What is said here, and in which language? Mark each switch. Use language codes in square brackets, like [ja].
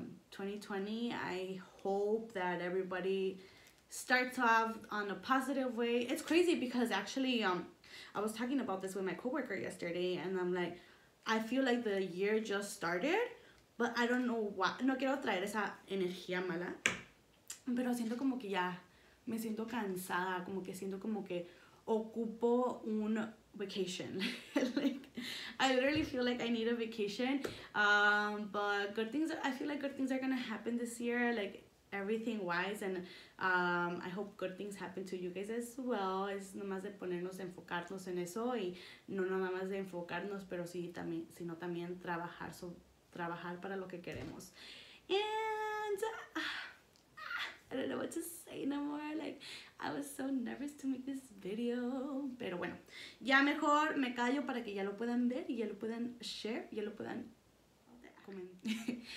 [en] 2020, I hope that everybody starts off on a positive way. It's crazy because actually I was talking about this with my coworker yesterday, and I'm like, I feel like the year just started, but I don't know why. [es] No quiero traer esa energía mala, pero siento como que ya me siento cansada, como que siento como que ocupo un vacation. [en] Like, I literally feel like I need a vacation. But good things, I feel like good things are gonna happen this year, like everything wise, and I hope good things happen to you guys as well. [es] Es nomás de ponernos, enfocarnos en eso, y no nomás de enfocarnos, pero sí también, sino también trabajar, trabajar para lo que queremos. [en] And I don't know what to say no more. Like, I was so nervous to make this video. [es] Pero bueno, ya mejor me callo para que ya lo puedan ver y ya lo puedan share, ya lo puedan comentar.